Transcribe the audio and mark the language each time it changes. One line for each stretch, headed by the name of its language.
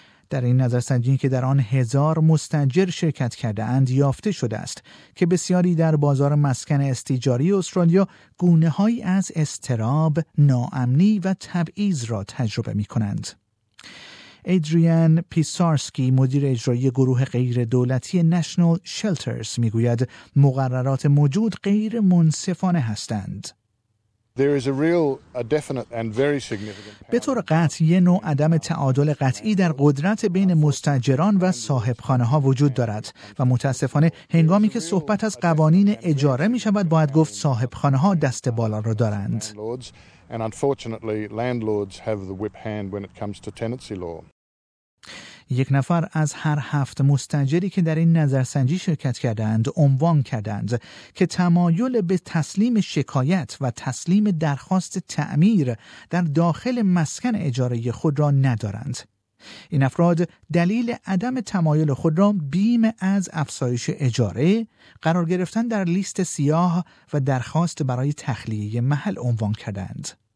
Persian: در این نظرسنجی که در آن 1000 مستأجر شرکت کرده اند، یافته شده است که بسیاری در بازار مسکن استیجاری استرالیا گونه هایی از استراب، ناامنی و تبعیض را تجربه می کنند. ادریان پیسارسکی، مدیر اجرایی گروه غیر دولتی نشنال شلترز، می گوید مقررات موجود غیر منصفانه هستند.
English: There is a real, a definite and very significant.
Persian: به طور قطع یه نوع عدم تعادل قطعی در قدرت بین مستاجران و صاحبخانه ها وجود دارد و متاسفانه هنگامی که صحبت از قوانین اجاره می شود باید گفت صاحبخانه ها دست بالا را دارند.
English: And unfortunately landlords have the whip hand when it comes to tenancy law.
Persian: 1 نفر از هر 7 مستأجری که در این نظرسنجی شرکت کردند عنوان کردند که تمایل به تسلیم شکایت و تسلیم درخواست تعمیر در داخل مسکن اجاره خود را ندارند. این افراد دلیل عدم تمایل خود را بیم از افزایش اجاره، قرار گرفتن در لیست سیاه و درخواست برای تخلیه محل عنوان کردند.